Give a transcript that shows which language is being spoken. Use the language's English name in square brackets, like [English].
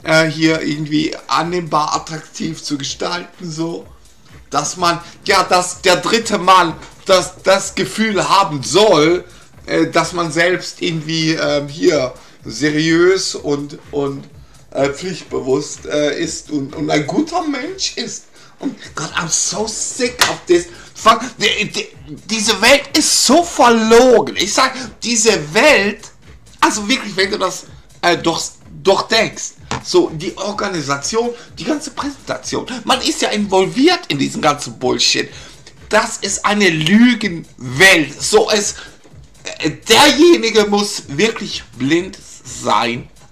[German] hier irgendwie annehmbar attraktiv zu gestalten, so, dass man, ja, dass der dritte Mann das Gefühl haben soll, dass man selbst irgendwie hier seriös und pflichtbewusst ist und ein guter Mensch ist. Und Gott, [English] I'm so sick of this. [German] Fuck, diese Welt ist so verlogen. Ich sag, diese Welt, also wirklich, wenn du das durchdenkst, so die Organisation, die ganze Präsentation, man ist ja involviert in diesen ganzen Bullshit. Das ist eine Lügenwelt. So ist, derjenige muss wirklich blind sein.